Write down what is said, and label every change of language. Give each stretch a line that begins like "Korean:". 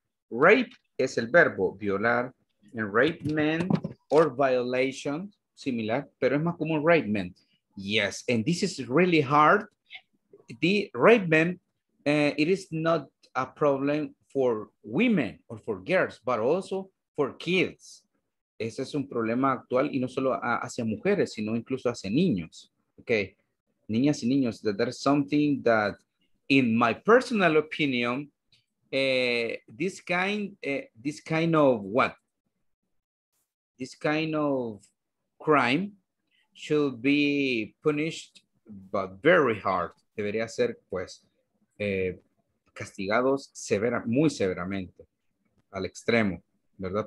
Spanish: Rape es el verbo violar,
English: and rape man or violation, similar,
Spanish: pero es más común rape man.
English: Yes, and this is really hard. The rape man, it is not a problem for women or for girls, but also for kids.
Spanish: Ese es un problema actual, y no solo hacia mujeres, sino incluso hacia niños. Okay, niñas y niños,
English: that there's something that, in my personal opinion, this kind of crime should be punished, but very hard.
Spanish: Debería ser, pues, castigados muy severamente, al extremo, ¿verdad?